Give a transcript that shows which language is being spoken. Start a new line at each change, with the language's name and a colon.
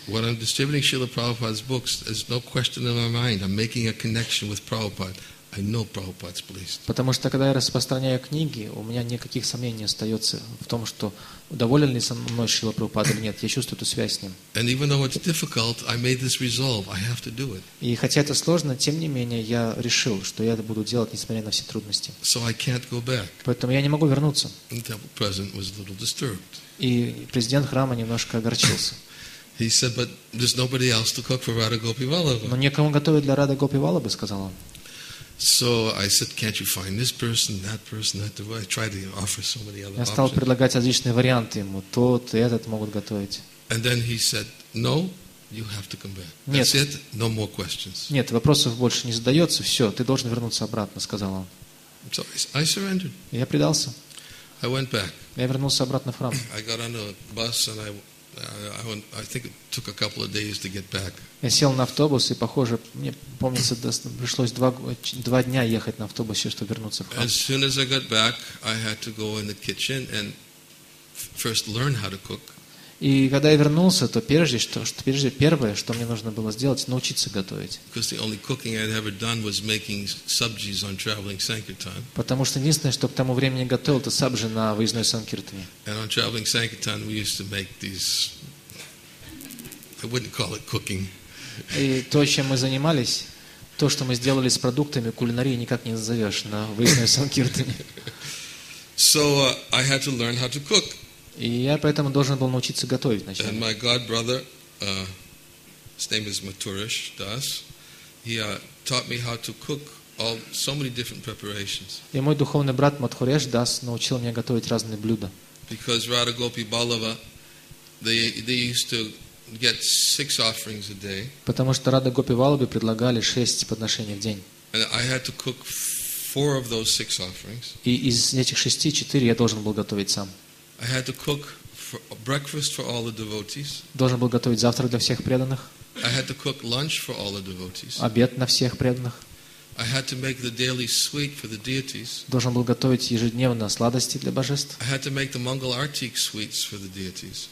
English: When I'm distributing Srila Prabhupada's books, there's no question in my mind. I'm making a connection with Prabhupada. I know Prabhupada's pleased.
Russian: Потому что когда я распространяю книги, у меня никаких сомнений не остается в том, что доволен ли со мной Шрила Прабхупада или нет. Я чувствую эту связь с ним.
English: And even though it's difficult, I made this resolve. I have to do it.
Russian: И хотя это сложно, тем не менее я решил, что я это буду делать, несмотря на все трудности.
English: So I can't go back.
Russian: Поэтому я не могу вернуться.
English: And the temple president was a little disturbed.
Russian: И президент храма немножко огорчился.
English: He said, "But there's nobody else to cook for Radha Gopi Vallabha."
Russian: Но никому готовить для Радха Гопи Валлабхи, сказал он.
English: So I said, can't you find this person, that person, that the way? I tried to offer so many other options.
Russian: Я стал предлагать различные варианты ему. Тот, этот могут готовить.
English: And then he said, no, you have to come back. That's it, no more questions.
Russian: Нет, вопросов больше не задается. Все, ты должен вернуться обратно, сказал он.
English: So I surrendered.
Russian: Я предался.
English: I went back.
Russian: Я вернулся обратно в храм.
English: I got on a bus and I think it took a couple of days to get back.
Russian: Я сел на автобус и, похоже, мне помнится, пришлось два дня ехать на автобусе, чтобы вернуться в храм.
English: As soon as I got back, I had to go in the kitchen and first learn how to cook.
Russian: И когда я вернулся, то первое, что мне нужно было сделать, научиться готовить.
English: Because the only cooking I'd ever done was making subjis on traveling sankirtan.
Russian: Потому что единственное, что к тому времени готовил, это сабжи на выездной санкиртане.
English: And on traveling sankirtan, we used to make these. I wouldn't call it cooking.
Russian: И то, чем мы занимались, то, что мы сделали с продуктами, кулинарией никак не назовешь на выездной санкиртане.
English: So I had to learn how to cook.
Russian: И я поэтому должен был научиться готовить вначале.
English: And my god brother, his name is Maturish Das, he taught me how to cook all so many different preparations.
Russian: И мой духовный брат Матхуреш Дас научил меня готовить разные блюда.
English: Because Radha Gopi Balava, they used to get 6 offerings a day.
Russian: Потому что Радха Гопи Валлабе предлагали 6 подношений в день.
English: And I had to cook 4 of those 6 offerings.
Russian: И из этих 6 4 я должен был готовить сам.
English: I had to cook for breakfast for all the devotees.
Russian: Должен был готовить завтрак для всех преданных.
English: I had to cook lunch for all the devotees.
Russian: Обед на всех преданных.
English: I had to make the daily sweet for the deities.
Russian: Должен был готовить ежедневно сладости для божеств.
English: I had to make the Mangal Arati sweets for the deities.